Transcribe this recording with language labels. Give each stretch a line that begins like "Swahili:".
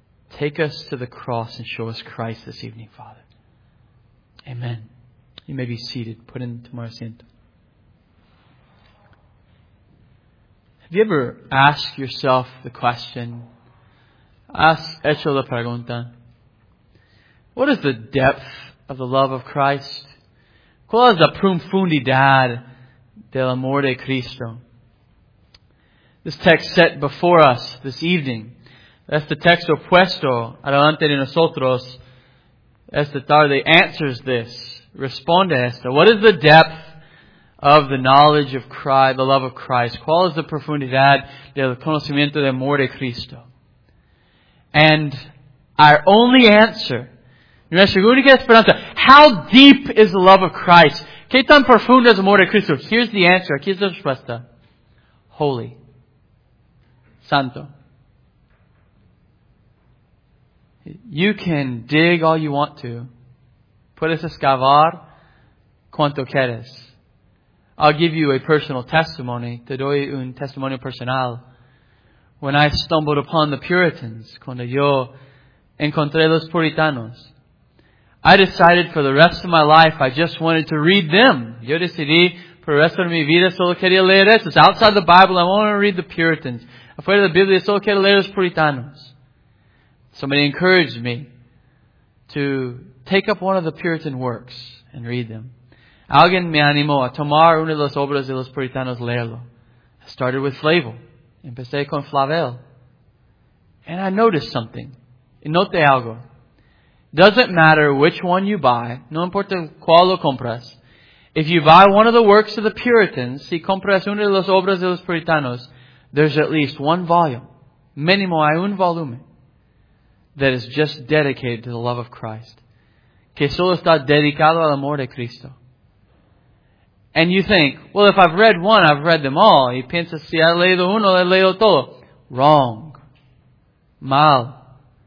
English: Take us to the cross and show us Christ this evening, Father. Amen. You may be seated. Put in tomorrow's asiento. Have you ever asked yourself the question,
Spanish: has hecho la pregunta,
English: what is the depth of the love of Christ?
Spanish: ¿Cuál es la profundidad del amor de Cristo?
English: This text set before us this evening,
Spanish: este texto puesto adelante de nosotros esta tarde,
English: answers this,
Spanish: responde a esto.
English: What is the depth of the knowledge of Christ, the love of Christ?
Spanish: ¿Cuál es la profundidad del conocimiento del amor de Cristo?
English: And our only answer,
Spanish: nuestra única esperanza,
English: how deep is the love of Christ?
Spanish: ¿Qué tan profundo es el amor de Cristo?
English: Here's the answer,
Spanish: aquí es la respuesta. Holy. Santo.
English: You can dig all you want to.
Spanish: Puedes excavar cuanto quieres.
English: I'll give you a personal testimony.
Spanish: Te doy un testimonio personal.
English: When I stumbled upon the Puritans,
Spanish: cuando yo encontré los Puritanos,
English: I decided for the rest of my life I just wanted to read them.
Spanish: Yo decidí por el resto de mi vida solo quería leer esos.
English: Outside the Bible, I want to read the Puritans.
Spanish: Afuera de la Biblia, solo quería leer los Puritanos.
English: Somebody encouraged me to take up one of the Puritan works and read them.
Spanish: Alguien me animó a tomar una de las obras de los Puritanos, leerlo.
English: I started with Flavel.
Spanish: Empecé con Flavel.
English: And I noticed something.
Spanish: Note algo.
English: Doesn't matter which one you buy.
Spanish: No importa cuál lo compras.
English: If you buy one of the works of the Puritans,
Spanish: si compras una de las obras de los Puritanos,
English: there's at least one volume.
Spanish: Mínimo hay un volumen.
English: That is just dedicated to the love of Christ.
Spanish: Que solo está dedicado al amor de Cristo.
English: And you think, well, if I've read one, I've read them all.
Spanish: Y piensas, si he leído uno, he leído todo. Wrong. Mal.